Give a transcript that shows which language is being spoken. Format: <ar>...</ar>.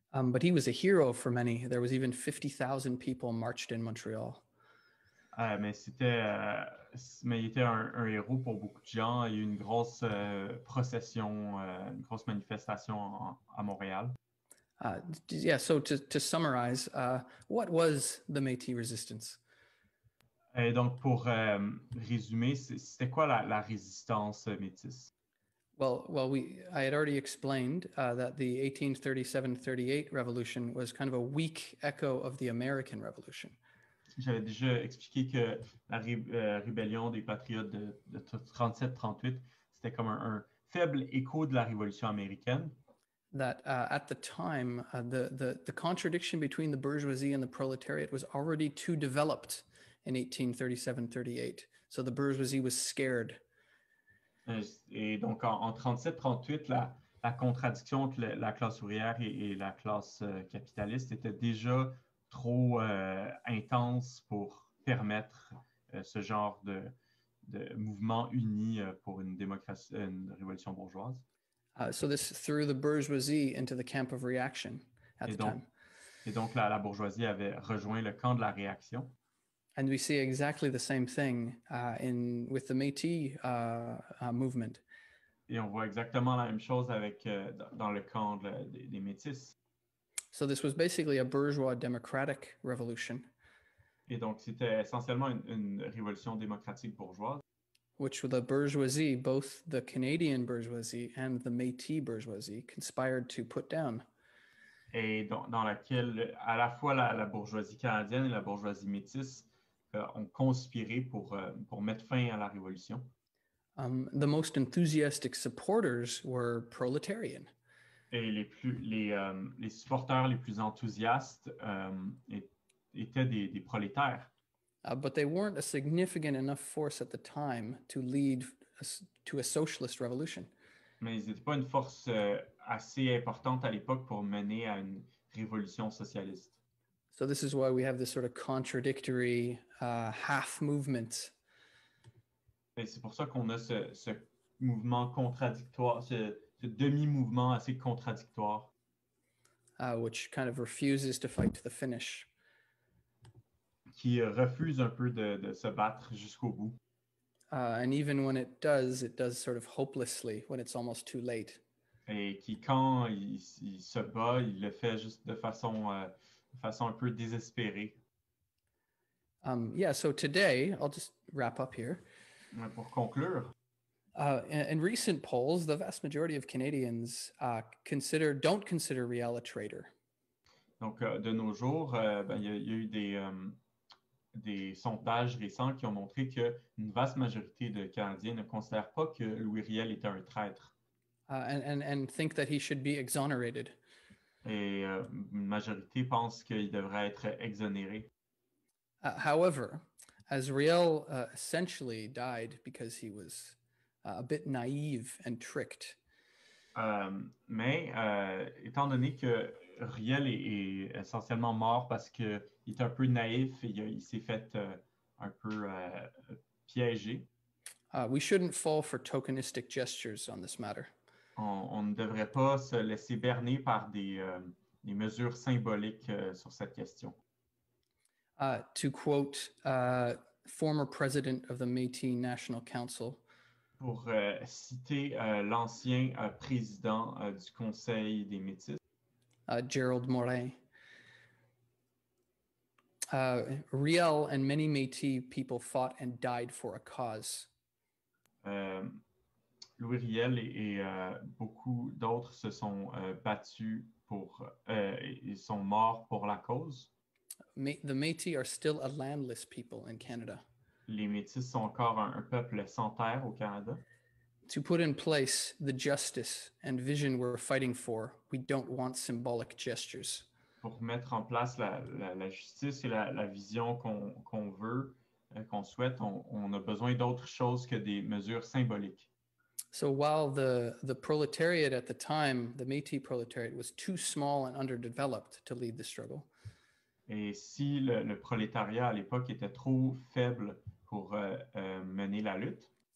<en>But he was a hero for many. There was even 50,000 people marched in Montreal.</en> <fr>Mais il était un héros pour beaucoup de gens. Il y a eu une grosse procession, une grosse manifestation à Montréal.</fr> <en>So to summarize, what was the Métis resistance?</en> <fr>Et donc pour résumer, c'était quoi la résistance métisse?</fr> <en>Well, I had already explained that the 1837-38 revolution was kind of a weak echo of the American Revolution.</en> <fr>J'avais déjà expliqué que la rébellion des patriotes de 37-38, c'était comme un faible écho de la révolution américaine.</fr> <en>That at the time, the contradiction between the bourgeoisie and the proletariat was already too developed in 1837-38. So the bourgeoisie was scared.</en> <fr>Et donc en 37-38, la contradiction entre la classe ouvrière et la classe capitaliste était déjà trop intense pour permettre ce genre de mouvement uni pour une démocratie, une révolution bourgeoise.</fr> <en>So this threw the bourgeoisie into the camp of reaction at the time.</en> <fr>Et donc la bourgeoisie avait rejoint le camp de la réaction.</fr> <en>And we see exactly the same thing in with the Métis movement.</en> <fr>Et on voit exactement la même chose avec dans le camp des Métis.</fr> <en>So this was basically a bourgeois democratic revolution.</en> <fr>Et donc c'était essentiellement une révolution démocratique bourgeoise.</fr> <en>Which the bourgeoisie, both the Canadian bourgeoisie and the Métis bourgeoisie, conspired to put down.</en> <fr>Et dans laquelle à la fois la bourgeoisie canadienne et la bourgeoisie métisse ont conspiré pour mettre fin à la révolution.</fr> <en>The most enthusiastic supporters were proletarian.</en> <fr>Et les supporters les plus enthousiastes étaient des prolétaires.</fr> <en>But they weren't a significant enough force at the time to lead to a socialist revolution.</en> <fr>Mais ils n'étaient pas une force assez importante à l'époque pour mener à une révolution socialiste.</fr> <en>So this is why we have this sort of contradictory half movement.</en> <fr>Et c'est pour ça qu'on a ce mouvement contradictoire, ce demi-mouvement assez contradictoire.</fr> <en>Which kind of refuses to fight to the finish.</en> <fr>Qui refuse un peu de se battre jusqu'au bout.</fr> <en>And even when it does sort of hopelessly when it's almost too late.</en> <fr>Et qui quand il se bat, il le fait juste de façon un peu désespérée.</fr> <en>So today, I'll just wrap up here.</en> <fr>Mais pour conclure.</fr> <en>In recent polls, the vast majority of Canadians don't consider Riel a traitor.</en> <fr>Donc, de nos jours, il y a eu des sondages récents qui ont montré que une vaste majorité de Canadiens ne considèrent pas que Louis Riel était un traître.</fr> <en>And think that he should be exonerated.</en> <fr>Et une majorité pense qu'il devrait être exonéré.</fr> <en>However, as Riel essentially died because he was a bit naive and tricked.</en> <fr>Mais étant donné que Riel est essentiellement mort parce qu'il est un peu naïf et il s'est fait un peu piégé.</fr> <en>We shouldn't fall for tokenistic gestures on this matter.</en> <fr>On ne devrait pas se laisser berner par des mesures symboliques sur cette question.</fr> <en>To quote former president of the Métis National Council.</en> <fr>Pour citer l'ancien président du Conseil des Métis.</fr> <en>Gerald Morin. Riel and many Métis people fought and died for a cause.</en> <fr>Louis Riel et beaucoup d'autres se sont battus pour, ils sont morts pour la cause.</fr> <en>The Métis are still a landless people in Canada.</en> <fr>Les Métis sont encore un peuple sans terre au Canada.</fr> <en>To put in place the justice and vision we're fighting for, we don't want symbolic gestures.</en> <fr>Pour mettre en place la justice et la vision qu'on veut, qu'on souhaite, on a besoin d'autres choses que des mesures symboliques.</fr> <en>So while the proletariat at the time, the Métis proletariat, was too small and underdeveloped to lead the struggle.</en> <fr>Et si le prolétariat à l'époque était trop faible pour mener la lutte.</fr>